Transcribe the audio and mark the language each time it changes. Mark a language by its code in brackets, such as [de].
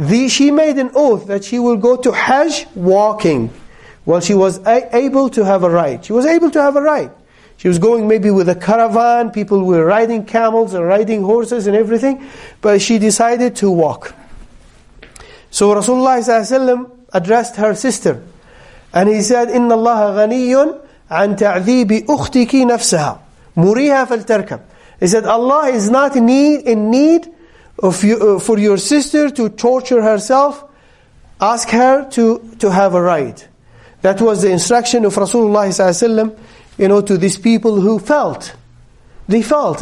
[en] She made an oath that she will go to Hajj walking. Well, she was able to have a ride. She was going maybe with a caravan, people were riding camels and riding horses and everything, but she decided to walk. So Rasulullah ﷺ addressed her sister, and he said, [ar] إِنَّ اللَّهَ غَنِيٌّ عَنْ تَعْذِيبِ أُخْتِكِ نَفْسَهَا مُرِيهَا فَالْتَرْكَمْ. [en] He said, Allah is not in need for your sister to torture herself. Ask her to have a ride. That was the instruction of Rasulullah ﷺ, you know, to these people who felt. They felt.